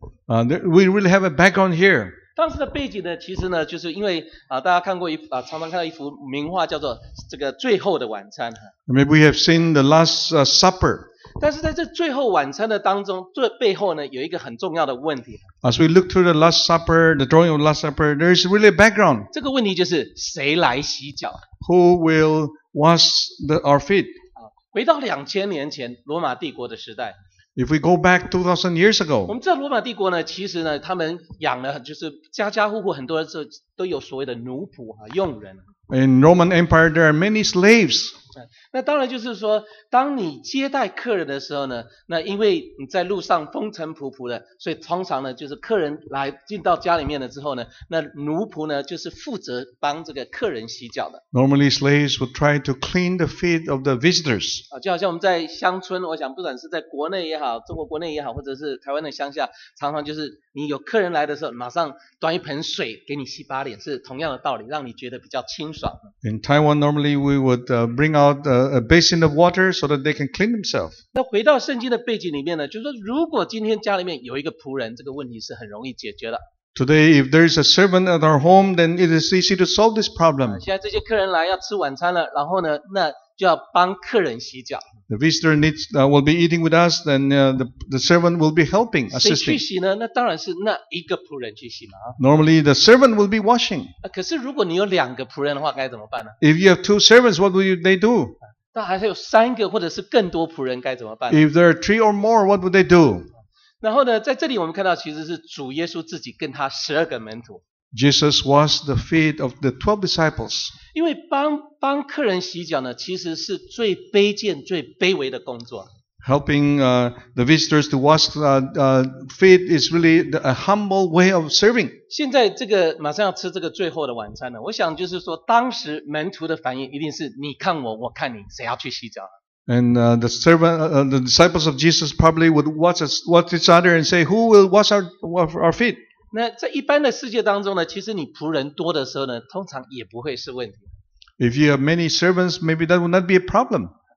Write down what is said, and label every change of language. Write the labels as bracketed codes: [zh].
[en] We really have a background here. [zh] 当时的背景呢，其实呢，就是因为啊，大家看过一啊，常常看到一幅名画，叫做这个《最后的晚餐》。 [en] Maybe we have seen the Last Supper。 [zh] 但是在这最后晚餐的当中，这背后呢，有一个很重要的问题。 [en] As we look through the Last Supper, the drawing of the Last Supper, there is really a background。 [zh] 这个问题就是谁来洗脚 [en] ？Who will wash our feet？ [zh] 回到2000年前罗马帝国的时代。 [en] If we go back 2000 years ago, [zh] 我们知道罗马帝国呢，其实呢，他们养了就是家家户户很多是都有所谓的奴仆啊，佣人。 [en] In Roman Empire, there are many slaves. [zh] 那当然就是说，当你接待客人的时候呢，那因为你在路上风尘仆仆的，所以通常呢，就是客人来进到家里面了之后呢，那奴仆呢就是负责帮这个客人洗脚的。 [en] Normally, slaves would try to clean the feet of the visitors. [zh] 就好像我们在乡村，我想不管是在国内也好，中国国内也好，或者是台湾的乡下，常常就是你有客人来的时候，马上端一盆水给你洗把脸，是同样的道理，让你觉得比较清。 [en] In Taiwan, normally we would bring out a basin of water so that they can clean themselves. [zh] 那回到圣经的背景里面呢，就是说，如果今天家里面有一个仆人，这个问题是很容易解决的。 [en] Today, if there is a servant at our home, then it is easy to solve this problem. [zh] 现在这些客人来要吃晚餐了，然后呢，那就要帮客人洗脚。 [en] The visitor needs will be eating with us, then the servant will be helping, assisting. [zh] 谁去洗呢？那当然是那一个仆人去洗嘛。 [en] Normally, the servant will be washing. [zh] 可是如果你有两个仆人的话，该怎么办呢 [en] ？If you have two servants, what will they do？ [zh] 那还是有三个或者是更多仆人该怎么办 [en] ？If there are three or more, what would they do？ [zh] 然后呢，在这里我们看到其实是主耶稣自己跟他十二个门徒。 [en] Jesus washed the feet of the 12 disciples. [zh] 因为帮客人洗脚呢，其实是最卑贱、最卑微的工作。 [en] Helping the visitors to wash feet is really a humble way of serving. [zh] 现在这个马上要吃这个最后的晚餐了，我想就是说，当时门徒的反应一定是你看我，我看你，谁要去洗脚？ [en] And the disciples of Jesus probably would watch each other and say, "Who will wash our feet?" [zh] 那在一般的世界当中呢，其实你仆人多的时候呢，通常也不会是问题。 [en] If you have many servants, maybe that would not be a problem.